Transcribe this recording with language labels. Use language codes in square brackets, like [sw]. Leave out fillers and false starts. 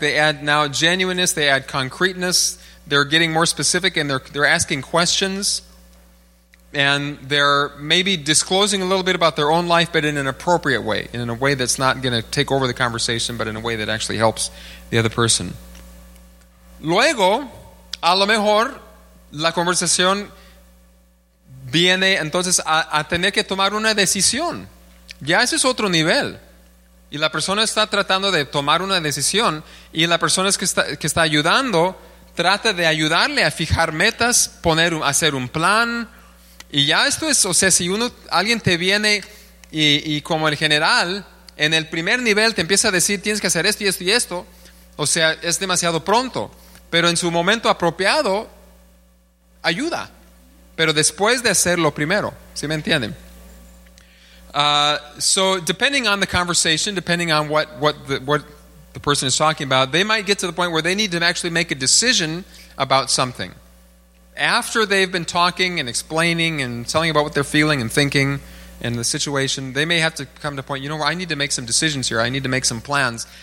[en] They add now genuineness, they add concreteness, they're getting more specific, and they're asking questions, and they're maybe disclosing a little bit about their own life, but in an appropriate way, in a way that's not going to take over the conversation, but in a way that actually helps the other person. [es] Luego, a lo mejor, la conversación viene entonces a tener que tomar una decisión. Ya ese es otro nivel. Y la persona está tratando de tomar una decisión, y la persona que está ayudando trata de ayudarle a fijar metas, hacer un plan. Y ya esto es, o sea, si alguien te viene y como el general, en el primer nivel te empieza a decir tienes que hacer esto y esto y esto, o sea, es demasiado pronto. Pero en su momento apropiado, ayuda. Pero después de hacerlo primero, ¿sí me entienden? [en] So depending on the conversation, depending on what the person is talking about, they might get to the point where they need to actually make a decision about something. After they've been talking and explaining and telling about what they're feeling and thinking and the situation, they may have to come to a point, you know, I need to make some decisions here, I need to make some plans.